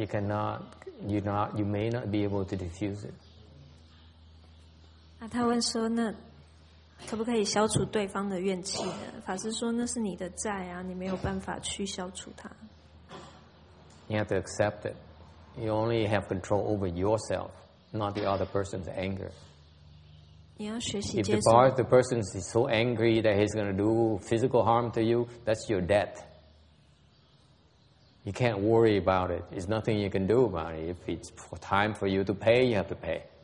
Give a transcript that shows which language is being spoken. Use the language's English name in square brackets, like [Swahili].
[English] You cannot, you may not be able to diffuse it. [Chinese] 啊，他问说，那可不可以消除对方的怨气呢？法师说，那是你的债啊，你没有办法去消除它。 [English] You have to accept it. You only have control over yourself, not the other person's anger. [Chinese] 你要学习接受。 [English] If the person is so angry that he's going to do physical harm to you, that's your debt. You can't worry about it. It's nothing you can do about it. If it's time for you to pay, you have to pay.